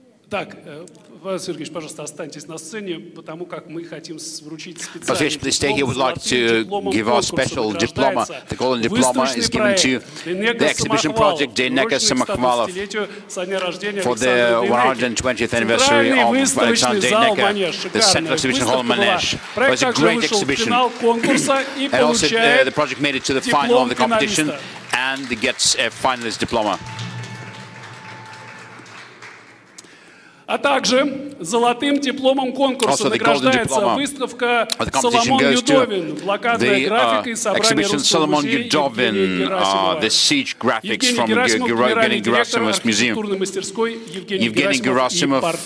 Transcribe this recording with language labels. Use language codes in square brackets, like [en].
[ru] Так, Павел Сергеевич, пожалуйста, останьтесь на сцене, потому как мы хотим вручить специальный диплом. [en] Павел Сергеевич, please stay. He would like to give our special diploma. The golden diploma is given to the exhibition project Denega Samokhvalov for the 120th anniversary of Alexander Denega, the Central Exhibition Hall Manege. It was a great exhibition. And also the project made it to the final of the competition and gets a finalist diploma. [ru] А также золотым дипломом конкурса награждается выставка Соломон Юдовин, плакатная графика и собрание русского музея Евгения Герасимова, архитектурной мастерской Евгений Герасимов